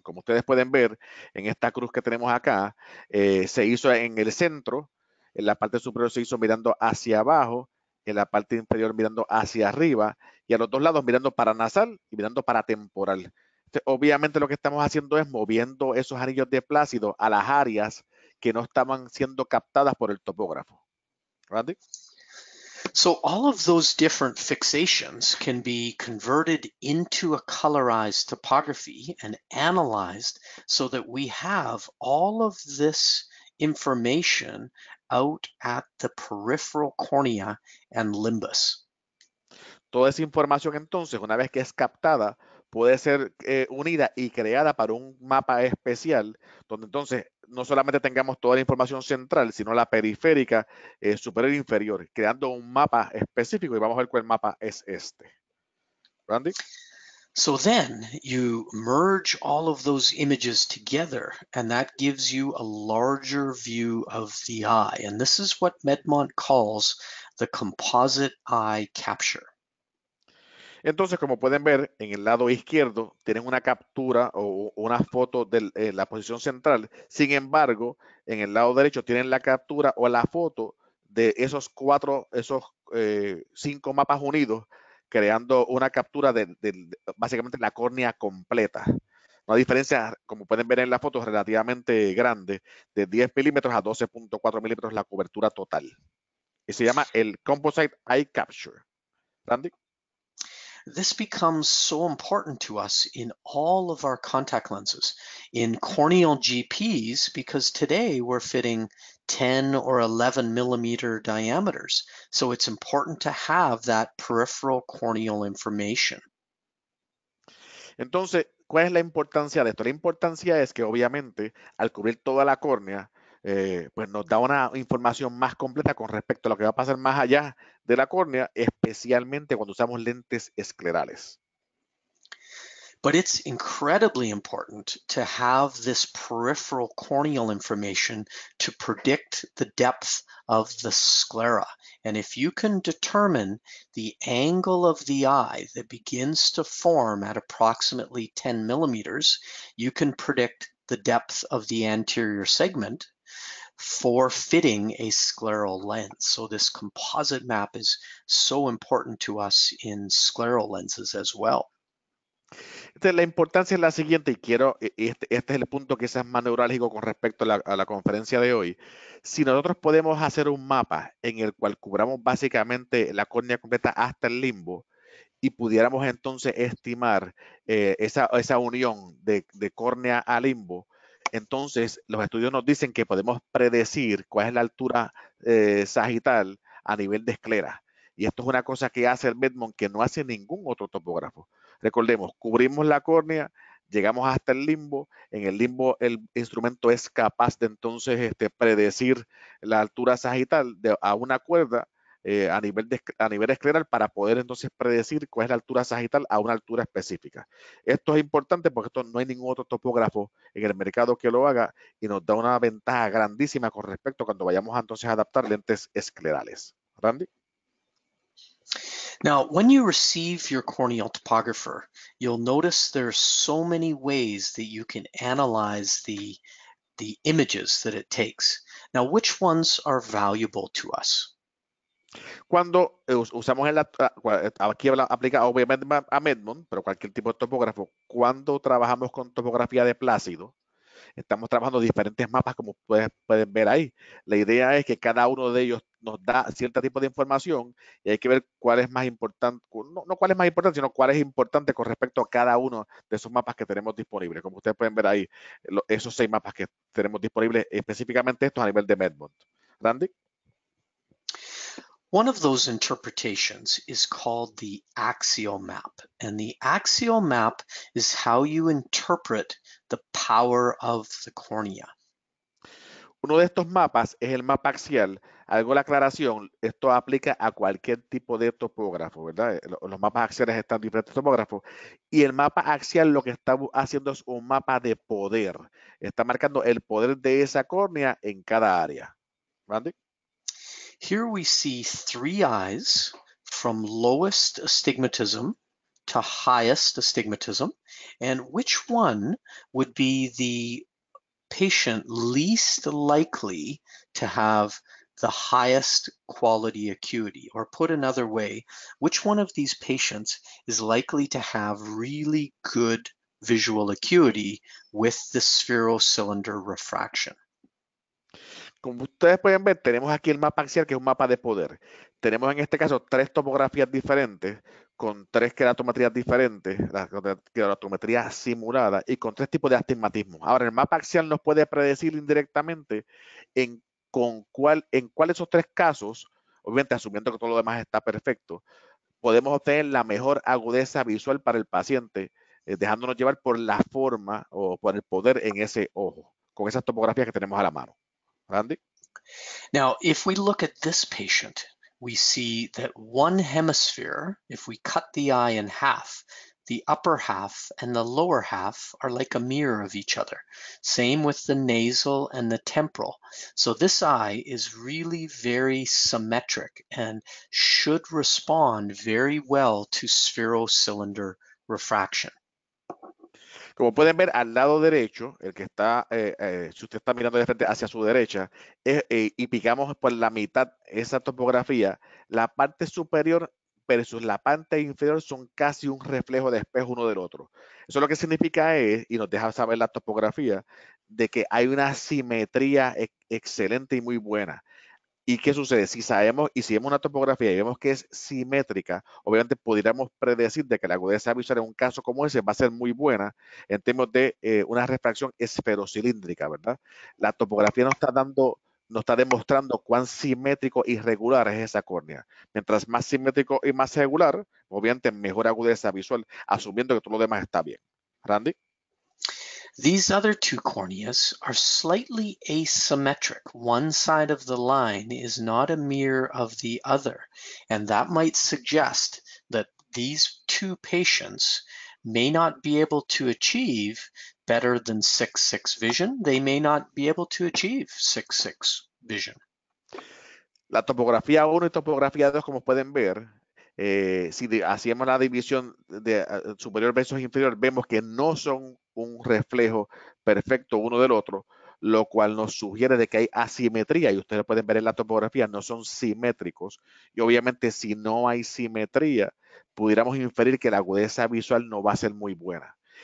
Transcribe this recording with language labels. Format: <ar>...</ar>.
<es>Como ustedes pueden ver en esta cruz que tenemos acá, se hizo en el centro, en la parte superior se hizo mirando hacia abajo, en la parte inferior mirando hacia arriba, y a los dos lados mirando para nasal y mirando para temporal. Entonces, obviamente lo que estamos haciendo es moviendo esos anillos de Plácido a las áreas que no estaban siendo captadas por el topógrafo. ¿Randy?</es> <en>So all of those different fixations can be converted into a colorized topography and analyzed so that we have all of this information out at the peripheral cornea and limbus.</en> <es>Toda esa información entonces, una vez que es captada, puede ser unida y creada para un mapa especial, donde entonces no solamente tengamos toda la información central, sino la periférica, superior e inferior, creando un mapa específico, y vamos a ver cuál mapa es este. Randy.</es> <en>So then you merge all of those images together, and that gives you a larger view of the eye. And this is what Medmont calls the composite eye capture.</en> <es>Entonces, como pueden ver, en el lado izquierdo tienen una captura o una foto de la posición central. Sin embargo, en el lado derecho tienen la captura o la foto de esos cuatro, esos cinco mapas unidos, creando una captura de básicamente la córnea completa. Una diferencia, como pueden ver en la foto, relativamente grande, de 10 milímetros a 12.4 milímetros la cobertura total. Y se llama el Composite Eye Capture. ¿Randy?</es> <en>This becomes so important to us in all of our contact lenses, in corneal GPs, because today we're fitting 10 or 11 millimeter diameters. So it's important to have that peripheral corneal information.</en> <es>Entonces, ¿cuál es la importancia de esto? La importancia es que obviamente al cubrir toda la córnea, pues nos da una información más completa con respecto a lo que va a pasar más allá de la córnea, especialmente cuando usamos lentes esclerales.</es> <en>But it's incredibly important to have this peripheral corneal information to predict the depth of the sclera. And if you can determine the angle of the eye that begins to form at approximately 10 millimeters, you can predict the depth of the anterior segment for fitting a scleral lens. So this composite map is so important to us in scleral lenses as well.</en> <es>La importancia es la siguiente, y quiero, este es el punto quizás más neurálgico con respecto a la conferencia de hoy. Si nosotros podemos hacer un mapa en el cual cubramos básicamente la córnea completa hasta el limbo y pudiéramos entonces estimar esa unión de córnea a limbo, entonces los estudios nos dicen que podemos predecir cuál es la altura sagital a nivel de esclera. Y esto es una cosa que hace el Medmont que no hace ningún otro topógrafo. Recordemos, cubrimos la córnea, llegamos hasta el limbo. En el limbo, el instrumento es capaz de entonces predecir la altura sagital a una cuerda a nivel escleral para poder entonces predecir cuál es la altura sagital a una altura específica. Esto es importante porque esto no hay ningún otro topógrafo en el mercado que lo haga y nos da una ventaja grandísima con respecto a cuando vayamos entonces a adaptar lentes esclerales. Randy.</es> <en>Now, when you receive your corneal topographer, you'll notice there are so many ways that you can analyze the images that it takes. Now, which ones are valuable to us?</en> <es>Cuando usamos en la, aquí aplica obviamente a Medmont, pero cualquier tipo de topógrafo, cuando trabajamos con topografía de Plácido, estamos trabajando diferentes mapas como pueden ver ahí. La idea es que cada uno de ellos nos da cierto tipo de información y hay que ver cuál es más importante, no cuál es más importante, sino cuál es importante con respecto a cada uno de esos mapas que tenemos disponibles. Como ustedes pueden ver ahí, esos seis mapas que tenemos disponibles, específicamente estos a nivel de Medmont. Randy.</es> <en>One of those interpretations is called the axial map. And the axial map is how you interpret the power of the cornea.</en> <es>Uno de estos mapas es el mapa axial. Hago la aclaración, esto aplica a cualquier tipo de topógrafo, ¿verdad? Los mapas axiales están diferentes topógrafos. Y el mapa axial lo que está haciendo es un mapa de poder. Está marcando el poder de esa córnea en cada área. Randy.</es> <en>Here we see three eyes from lowest astigmatism to highest astigmatism. And which one would be the patient least likely to have the highest quality acuity? Or put another way, which one of these patients is likely to have really good visual acuity with the spherocylinder refraction?</en> <es>Como ustedes pueden ver, tenemos aquí el mapa axial, que es un mapa de poder. Tenemos en este caso tres topografías diferentes, con tres queratometrías diferentes, la queratometría simulada, y con tres tipos de astigmatismo. Ahora, el mapa axial nos puede predecir indirectamente en cuál de esos tres casos, obviamente asumiendo que todo lo demás está perfecto, podemos obtener la mejor agudeza visual para el paciente, dejándonos llevar por la forma o por el poder en ese ojo, con esas topografías que tenemos a la mano. Randy?</es> <en>Now, if we look at this patient, we see that one hemisphere, if we cut the eye in half, the upper half and the lower half are like a mirror of each other. Same with the nasal and the temporal. So this eye is really very symmetric and should respond very well to spherocylinder refraction.</en> <es>Como pueden ver, al lado derecho, el que está, si usted está mirando de frente hacia su derecha, y picamos por la mitad esa topografía, la parte superior versus la parte inferior son casi un reflejo de espejo uno del otro. Eso lo que significa es, y nos deja saber la topografía, de que hay una simetría excelente y muy buena. ¿Y qué sucede? Si sabemos y si vemos una topografía y vemos que es simétrica, obviamente pudiéramos predecir de que la agudeza visual en un caso como ese va a ser muy buena en términos de una refracción esferocilíndrica, ¿verdad? La topografía nos está demostrando cuán simétrico y regular es esa córnea. Mientras más simétrico y más regular, obviamente mejor agudeza visual, asumiendo que todo lo demás está bien. Randy.</es> <en>These other two corneas are slightly asymmetric. One side of the line is not a mirror of the other, and that might suggest that these two patients may not be able to achieve better than 6-6 vision. They may not be able to achieve 6-6 vision.</en> <es>La topografía 1 y topografía 2, como pueden ver, si hacemos la división de superior versus inferior, vemos que no son un reflejo perfecto uno del otro, lo cual nos sugiere de que hay asimetría, y ustedes pueden ver en la topografía, no son simétricos, y obviamente si no hay simetría, pudiéramos inferir que la agudeza visual no va a ser muy buena.</es>